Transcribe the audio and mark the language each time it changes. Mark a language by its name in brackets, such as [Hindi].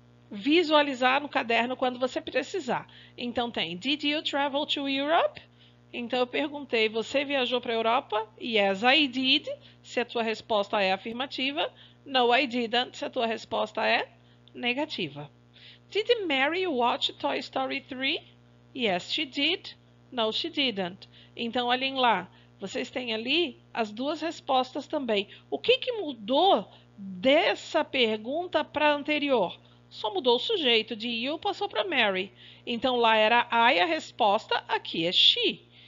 [Portuguese] Visualizar no caderno quando você precisar. Então tem [English] Did you travel to Europe? [Portuguese] Então eu perguntei, você viajou para a Europa? [English] Yes, I did. [Portuguese] Se a tua resposta é afirmativa, [English] no, I didn't. [Portuguese] Se a tua resposta é negativa. [English] Did Mary watch Toy Story 3? Yes, she did. No, she didn't. [Portuguese] Então olhem lá, vocês têm ali as duas respostas também. O que que mudou dessa pergunta para a anterior? Só mudou o sujeito, de you passou para Mary. Então lá era I a resposta, aqui é she.